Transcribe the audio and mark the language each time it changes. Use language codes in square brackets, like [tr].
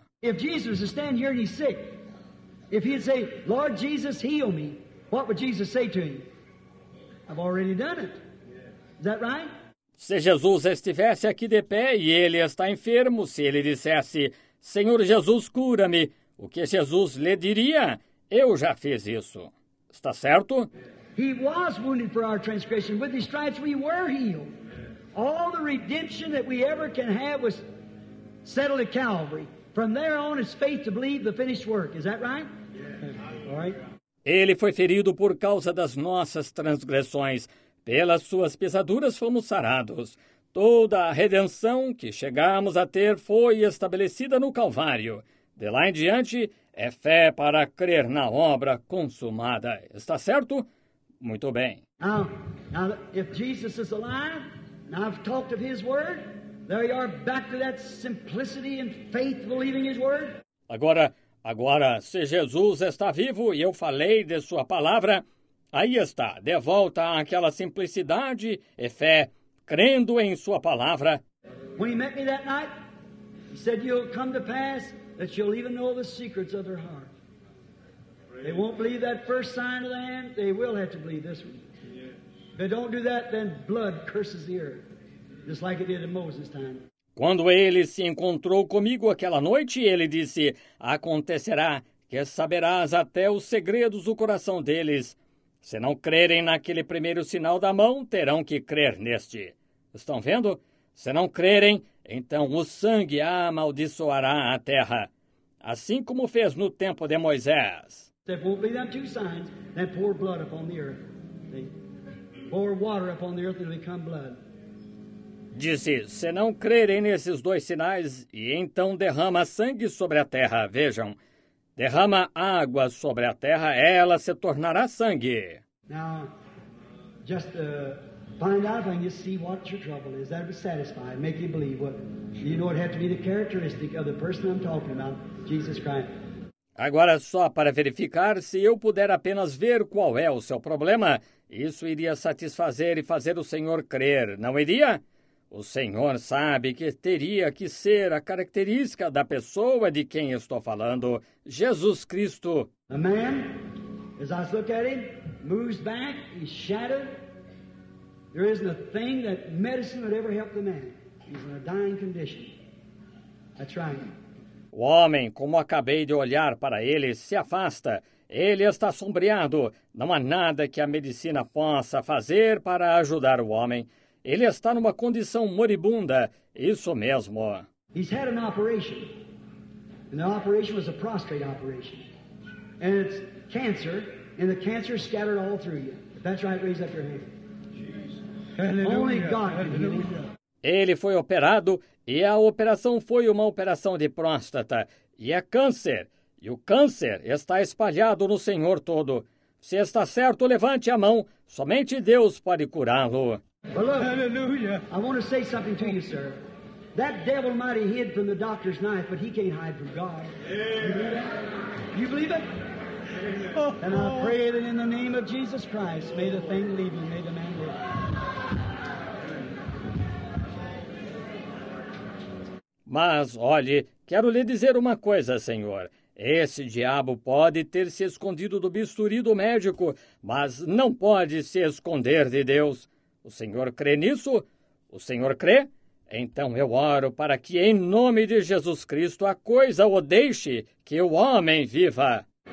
[en] If Jesus is standing here and he's sick, if he'd say, Lord Jesus, heal me, what would Jesus say to him? I've already done it. Is that right? [pt] Se Jesus estivesse aqui de pé e ele está enfermo, se ele dissesse, Senhor Jesus, cura-me, o que Jesus lhe diria? Eu já fiz isso. Está certo? [en] He was wounded for our transgression. With his stripes we were healed. All the redemption that we ever can have was settled at Calvary. From there on is faith to believe the finished work. Is that right? Yeah. All right. [pt] Ele foi ferido por causa das nossas transgressões. Pelas suas pisaduras fomos sarados. Toda a redenção que chegamos a ter foi estabelecida no Calvário. De lá em diante, é fé para crer na obra consumada. Está certo? Muito bem. [en] Now, if Jesus is alive, and I've talked of his word, there you are back to that simplicity and faith believing his word. [pt] Agora, se Jesus está vivo e eu falei de sua palavra, aí está, de volta àquela simplicidade e fé, crendo em sua palavra. [en] When he met me that night, he said, you'll come to pass that you'll even know the secrets of their heart. They won't believe that first sign of the hand, they will have to believe this one. If they don't do that, then blood curses the earth, just like it did in Moses' time. [pt] Quando ele se encontrou comigo aquela noite, ele disse, acontecerá que saberás até os segredos do coração deles. Se não crerem naquele primeiro sinal da mão, terão que crer neste. Estão vendo? Se não crerem, então o sangue amaldiçoará a terra, assim como fez no tempo de Moisés. [en] There won't be them two signs, then pour blood upon the earth. They pour water upon the earth and it'll become blood. [pt] Disse, se não crerem nesses dois sinais, e então derrama sangue sobre a terra, vejam. Derrama água sobre a terra, ela se tornará sangue. [en] Now, just find out when you see what your trouble is. That would satisfy, make you believe. What, you know, it had to be the characteristic of the person I'm talking about, Jesus Christ. [pt] Agora, só para verificar, se eu puder apenas ver qual é o seu problema, isso iria satisfazer e fazer o Senhor crer, não iria? O Senhor sabe que teria que ser a característica da pessoa de quem estou falando, Jesus Cristo. [en] A man, as I look at him, moves back, he's shattered. There isn't a thing that medicine would ever help the man. He's in a dying condition. That's right. [pt] O homem, como acabei de olhar para ele, se afasta. Ele está sombreado. Não há nada que a medicina possa fazer para ajudar o homem. Ele está numa condição moribunda, isso mesmo. [en] He's had an operation, and the operation was a prostate operation. And it's cancer, and the cancer is scattered all through you. If that's right, raise up your hand. Jesus. Only God can heal you. [pt] Ele foi operado, e a operação foi uma operação de próstata, e é câncer. E o câncer está espalhado no Senhor todo. Se está certo, levante a mão. Somente Deus pode curá-lo. [en] Well, look, hallelujah. I want to say something to you, sir. That devil might have hid from the doctor's knife, but he can't hide from God. Amen. You believe it? Amen. And I pray that in the name of Jesus Christ, may the thing leave you, may the man live. [pt] Mas, olhe, quero lhe dizer uma coisa, senhor. Esse diabo pode ter se escondido do bisturi do médico, mas não pode se esconder de Deus. O senhor crê nisso? O senhor crê? Então eu oro para que, em nome de Jesus Cristo, a coisa o deixe, que o homem viva.